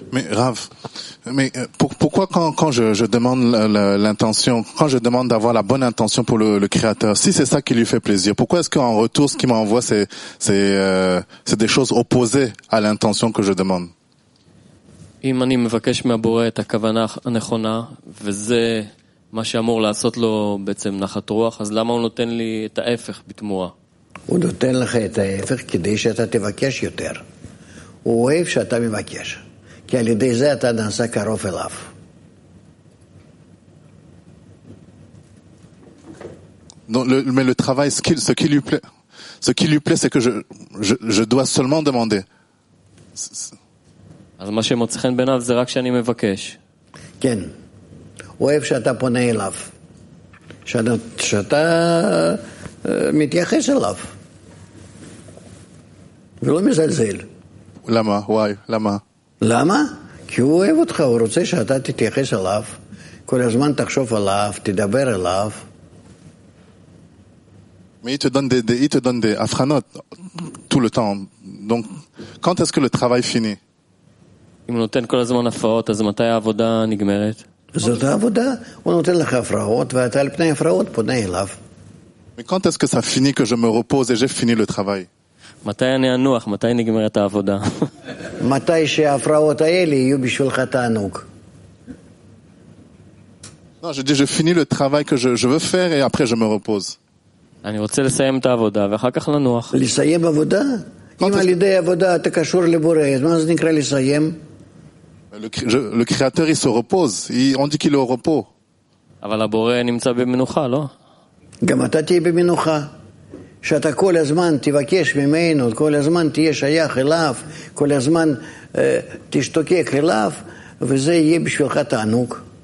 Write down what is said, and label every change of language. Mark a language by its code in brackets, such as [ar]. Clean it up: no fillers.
[fr] רב, mais pourquoi quand je demande l'intention, quand je demande d'avoir la bonne intention pour le créateur, si c'est ça qui lui fait plaisir, pourquoi est-ce qu'en retour ce qu'il m'envoie c'est des choses opposées à l'intention que je demande? [he] אם אני מבקש מהבורא את הכוונה הנכונה, וזה מה שאמור לעשות לו בעצם נחת רוח, אז למה הוא נותן לי את ההפך בתמורה? הוא נותן לך את ההפך כדי שאתה תבקש יותר. הוא אוהב שאתה מבקש, כי על ידי זה אתה נעשה קרוב אליו. [fr] Mais le travail, ce qui lui plaît, c'est que je dois seulement demander. [he] אז מה שמוצא חן בעיניו זה רק שאני מבקש. כן. הוא אוהב שאתה פונה אליו. שאתה מתייחס אליו. ולא מזלזל. למה? וואי, למה? למה? כי הוא אוהב אותך, הוא רוצה שאתה תתייחס אליו. כל הזמן תחשוב עליו, תדבר אליו. [fr] Mais il te donne des הבחנות tout le temps. Donc, quand est-ce que le travail fini? [he] אם הוא נותן כל הזמן הפרעות, אז מתי העבודה נגמרת? זאת העבודה. הוא נותן לך הפרעות, ואתה על פני הפרעות פונה אליו. [fr] Mais quand est-ce que ça finit que je me repose et j'ai fini le travail? [he] מתי אני אנוח? מתי נגמר את העבודה? מתי שההפרעות האלה יהיו בשבילך תענוג? [fr] Non, je dis, je finis le travail que je veux faire et après je me repose. [he] אני רוצה לסיים את העבודה ואחר כך לנוח. לסיים עבודה? אם על ידי עבודה אתה קשור לבורא, אז מה זה נקרא לסיים? [fr] Le créateur, il se repose. On dit qu'il est au repos. [he] אבל הבורא נמצא במנוחה, לא? גם אתה תהיה במנוחה. שאתה כל הזמן תבקש ממנו, כל הזמן תהיה שייך אליו, כל הזמן תשתוקק אליו, וזה יהיה בשבילך תענוג.